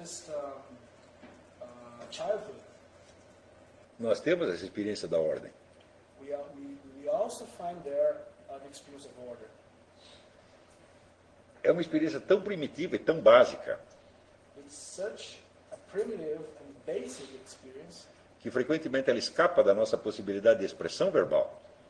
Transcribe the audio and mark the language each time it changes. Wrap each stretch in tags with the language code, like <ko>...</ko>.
<en>In our personal life, if we go back to our remotest childhood.</en> <pt>Nós temos essa experiência da ordem.</pt> <en>We also find there an experience of order.</en> <pt>É uma experiência tão primitiva e tão básica.</pt> <en>It's such a primitive and basic experience.</en> <pt>que frequentemente ela escapa da nossa possibilidade de expressão verbal.</pt>